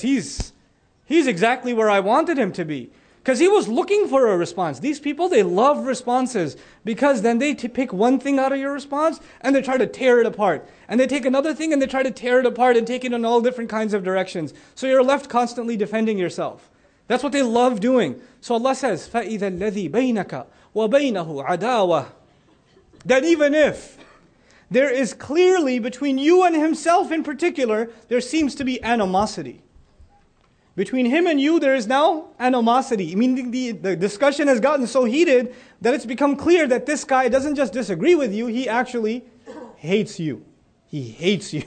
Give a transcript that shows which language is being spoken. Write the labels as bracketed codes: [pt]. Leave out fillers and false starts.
[en] He's exactly where I wanted him to be. Because he was looking for a response. These people, they love responses. Because then they pick one thing out of your response and they try to tear it apart. And they take another thing and they try to tear it apart and take it in all different kinds of directions. So you're left constantly defending yourself. That's what they love doing. So Allah says, [ar] فَإِذَا الَّذِي بَيْنَكَ وَبَيْنَهُ عَدَاوَةً. [en] That even if there is clearly between you and himself in particular, there seems to be animosity. Between him and you, there is now animosity. Meaning the discussion has gotten so heated that it's become clear that this guy doesn't just disagree with you, he actually hates you. He hates you.